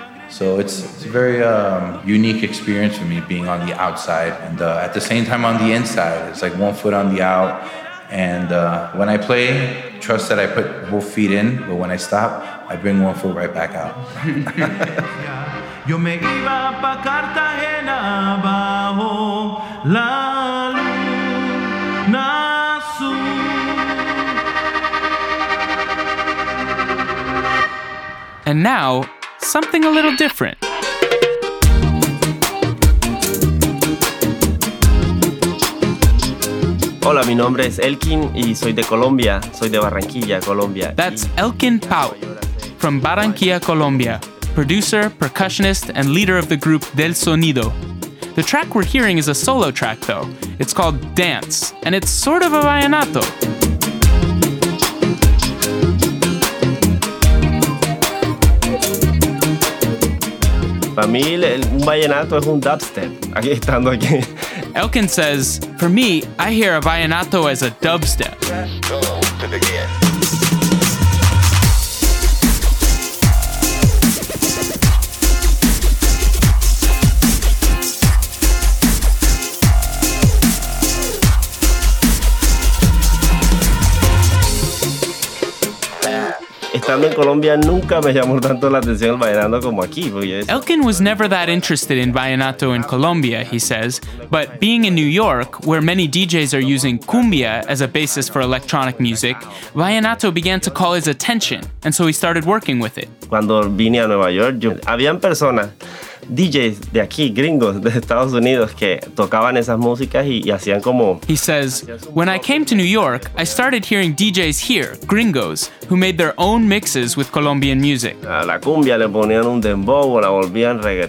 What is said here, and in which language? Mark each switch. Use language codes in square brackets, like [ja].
[en] So it's a very unique experience for me, being on the outside and at the same time on the inside. It's like one foot on the out. And when I play, trust that I put both feet in, but when I stop, I bring one foot right back out. [es] Yo me iba pa Cartagena bajo la luna azul. [en] And now, something a little different. [es] Hola, mi nombre es Elkin y soy de Colombia. Soy de Barranquilla, Colombia. [en] That's Elkin Pau from Barranquilla, Colombia, producer, percussionist, and leader of the group Del Sonido. The track we're hearing is a solo track, though. It's called Dance, and it's sort of a vallenato. [es] Para mí, un vallenato es un dubstep. Aquí estando aquí. [en] Elkin says, for me, I hear a vallenato as a dubstep. [es] Estando en Colombia, nunca me llamó tanto la atención el vallenato como aquí. [en] Elkin was never that interested in vallenato in Colombia, he says. But being in New York, where many DJs are using cumbia as a basis for electronic music, vallenato began to call his attention, and so he started working with it. [es] Cuando vine a Nueva York, habían personas, DJs de aquí, gringos, de Estados Unidos, que tocaban esas músicas y hacían como... [en] He says, when I came to New York, I started hearing DJs here, gringos, who made their own mixes with Colombian music. [es] A la cumbia le ponían un dembow o la volvían reggaeton.